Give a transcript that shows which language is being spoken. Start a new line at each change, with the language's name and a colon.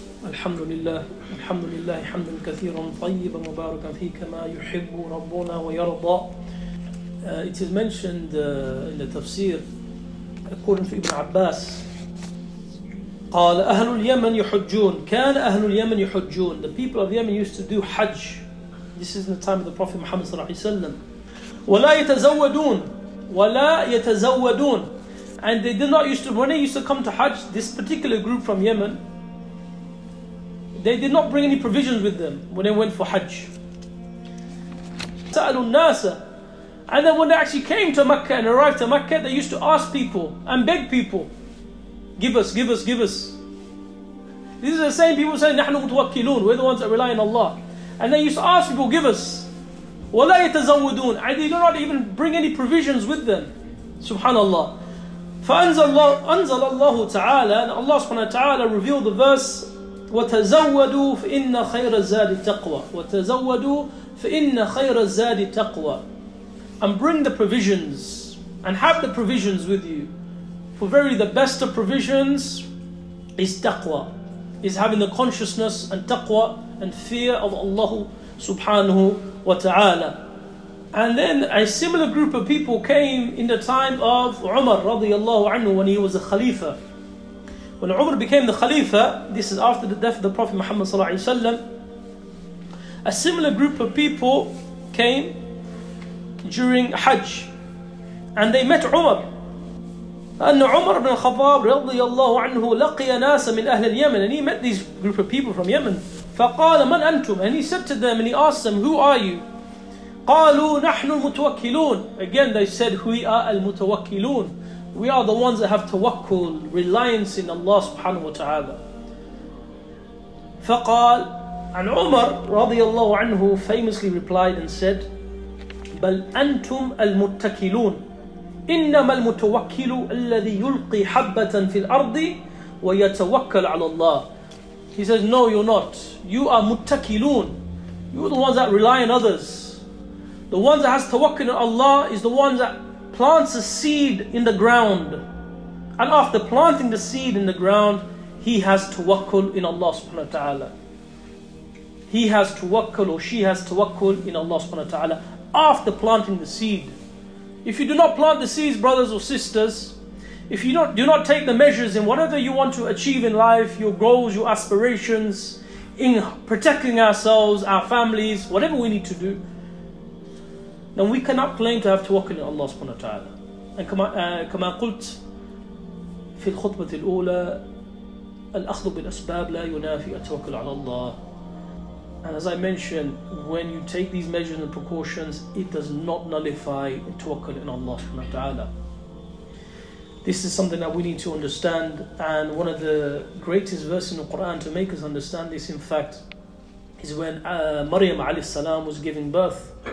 Arabic: الحمد لله الحمد لله حمدا كثيرا طيبا مباركا فيه كما يحب ربنا ويرضى.
English: It is mentioned in the tafsir, according to Ibn Abbas,
Arabic: قال أهل اليمن يحجون
English: كان أهل اليمن يحجون. The people of Yemen used to do Hajj. This is in the time of the Prophet Muhammad
Arabic: صلى الله عليه وسلم. ولا يتزودون ولا يتزودون.
English: And they did not used to, when they used to come to Hajj, this particular group from Yemen, they did not bring any provisions with them when they went for Hajj.
Arabic: سألوا الناس.
English: And then when they actually came to Mecca and arrived to Mecca, they used to ask people and beg people, give us, give us, give us. These are the same people saying,
Arabic: نحن متوكلون.
English: We're the ones that rely on Allah. And they used to ask people, give us.
Arabic: ولا يتزودون.
English: And they did not even bring any provisions with them. Subhanallah.
Arabic: فأنزل الله تعالى
English: and Allah subhanahu wa ta'ala revealed the verse
Arabic: وَتَزَوَّدُوا فَإِنَّ خَيْرَ الزَّادِ التَّقْوَى وَتَزَوَّدُوا فَإِنَّ خَيْرَ الزَّادِ التَّقْوَى.
English: And bring the provisions and have the provisions with you. For very the best of provisions is taqwa, is having the consciousness and taqwa and fear of Allah subhanahu wa ta'ala. And then a similar group of people came in the time of Umar radiallahu anhu when he was a Khalifa. When Umar became the Khalifa, this is after the death of the Prophet Muhammad sallallahu alaihi wasallam, a similar group of people came during Hajj and they met Umar. And Umar ibn al-Khattab radiallahu anhu
Arabic: laqiya nasa min ahl al-Yaman,
English: and he met these group of people from Yemen.
Arabic: فقال من أنتم,
English: and he said to them and he asked them, who are you?
Arabic: قالوا نحن المتوكلون.
English: Again they said, we are المتوكلون. We are the ones that have tawakkul, reliance in Allah subhanahu wa ta'ala.
Arabic: فقال عن عمر رضي الله عنه
English: famously replied and said
Arabic: بل أنتم المتكلون إنما المتوكل الذي يلقي حبة في الأرض ويتوكل على الله.
English: He says, no, you're not. You are muttakilun. You're the ones that rely on others. The ones that has tawakkul in Allah is the ones that plants a seed in the ground. And after planting the seed in the ground, he has tawakkul in Allah subhanahu wa ta'ala. He has tawakkul or she has tawakkul in Allah subhanahu wa ta'ala after planting the seed. If you do not plant the seeds, brothers or sisters, if you do not take the measures in whatever you want to achieve in life, your goals, your aspirations, in protecting ourselves, our families, whatever we need to do, then we cannot claim to have tawakkul in Allah subhanahu wa ta'ala.
Arabic: And كما قلت في الخطبة الأولى الأخذ بالأسباب لا ينافي التوكل على الله.
English: And as I mentioned, when you take these measures and precautions, it does not nullify tawakkul in Allah subhanahu wa ta'ala. This is something that we need to understand, and one of the greatest verses in the Quran to make us understand this, in fact, is when Maryam alayhi salam was giving birth.